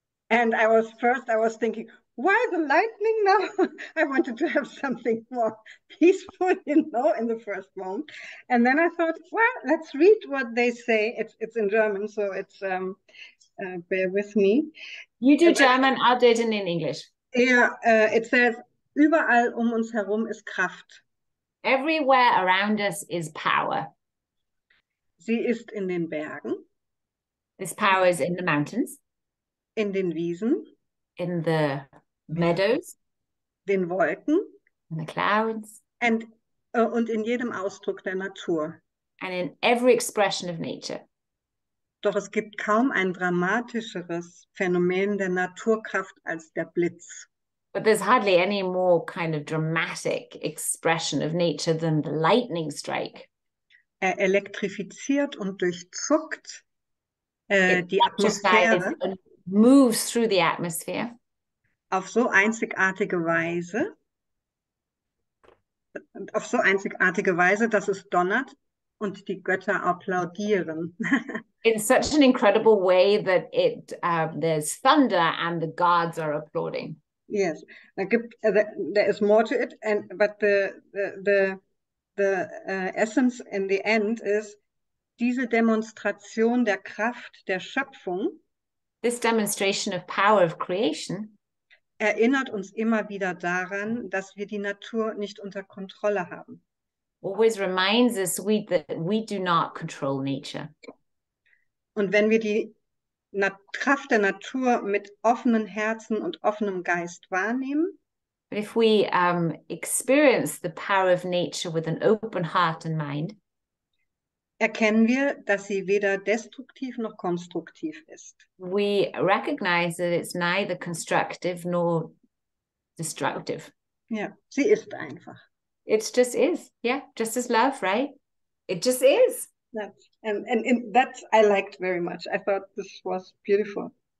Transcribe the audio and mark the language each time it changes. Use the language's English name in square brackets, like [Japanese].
[English] And I was thinking, why the lightning now? I wanted to have something more peaceful, you know, in the first moment. And then I thought, well, let's read what they say. It's in German, so it's bear with me. You do German, I'll do it in English. Yeah, it says, [German] überall um uns herum ist Kraft. [English] Everywhere around us is power. [German] Sie ist in den Bergen. [English] This power is in the mountains. [German] In den Wiesen. [English] In the meadows. [German] Den Wolken. [English] In the clouds. [German] Und in jedem Ausdruck der Natur. [English] And in every expression of nature. [German] Doch es gibt kaum ein dramatischeres Phänomen der Naturkraft als der Blitz. [English] But there's hardly any more kind of dramatic expression of nature than the lightning strike. [German] Er elektrifiziert und durchzuckt die Atmosphäre. [English] Moves through the atmosphere. [German] Auf so einzigartige Weise. Auf so einzigartige Weise, dass es donnert und die Götter applaudieren. [English] In such an incredible way that there's thunder and the gods are applauding. Yes, there is more to it, but the essence in the end is [German] diese Demonstration der Kraft der Schöpfung. [English] This demonstration of power of creation [German] erinnert uns immer wieder daran, dass wir die Natur nicht unter Kontrolle haben. [English] Always reminds us that we do not control nature. [German] Und wenn wir die Kraft der Natur mit offenen Herzen und offenem Geist wahrnehmen. [English] But if we experience the power of nature with an open heart and mind, [German] erkennen wir, dass sie weder destruktiv noch konstruktiv ist. [English] We recognize that it's neither constructive nor destructive. [German] Yeah, sie ist einfach. [English] It just is. Yeah, just as love, right? It just is. And that I liked very much. I thought this was beautiful.